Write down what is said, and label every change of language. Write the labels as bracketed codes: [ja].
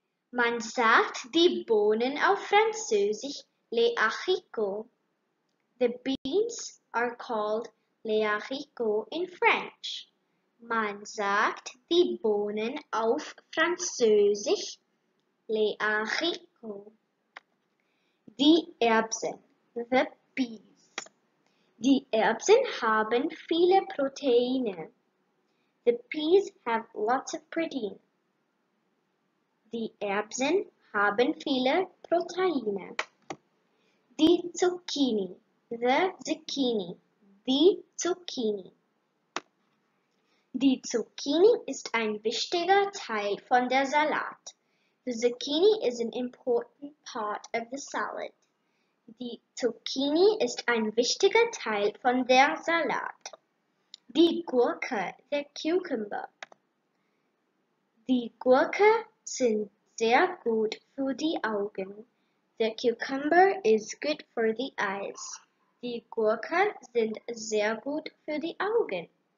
[de] Man sagt die Bohnen auf Französisch les haricots. [en] The beans are called les haricots in French. [de] Man sagt die Bohnen auf Französisch les haricots. Die Erbsen, the peas. Die Erbsen haben viele Proteine. [en] The peas have lots of protein. [de] Die Erbsen haben viele Proteine. Die Zucchini, the zucchini, die Zucchini. Die Zucchini ist ein wichtiger Teil von der Salat. [en] The zucchini is an important part of the salad. [de] Die Zucchini ist ein wichtiger Teil von der Salat. Die Gurke, der Cucumber. Die Gurke sind sehr gut für die Augen. [en] The cucumber is good for the eyes. [de] Die Gurke sind sehr gut für die Augen.